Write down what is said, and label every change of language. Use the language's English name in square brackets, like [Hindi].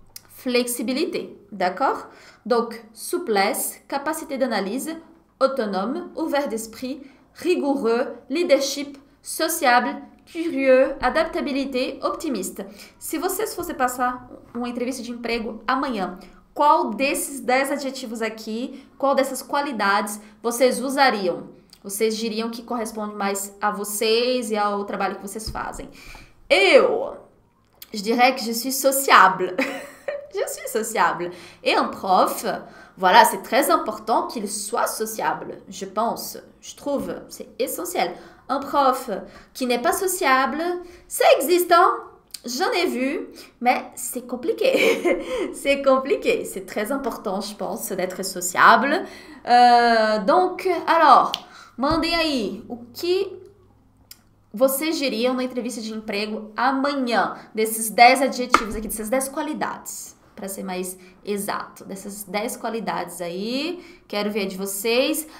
[French] Flexibilité. D'accord? Donc, souplesse, capacité d'analyse, autonome, ouvert d'esprit, rigoureux, leadership, sociable, curieux, adaptabilité, optimiste. [Portuguese] Se vocês fossem passar uma entrevista de emprego amanhã, qual desses 10 adjetivos aqui, qual dessas qualidades vocês usariam? Vocês diriam que corresponde mais a vocês e ao trabalho que vocês fazem. [French] Eu, je dirais que je suis sociable. Je suis sociable. Et un prof, voilà, c'est très important qu'il soit sociable, je pense. Je trouve, c'est essentiel. Un prof qui n'est pas sociable, ça existe, hein? J'en ai vu, mais c'est compliqué. C'est compliqué. C'est très important, je pense, d'être sociable. Donc, alors, [Portuguese] mandem aí o que vocês diriam na entrevista de emprego amanhã desses 10 adjetivos aqui, dessas 10 qualidades, para ser mais exato. Dessas 10 qualidades aí, quero ver a de vocês.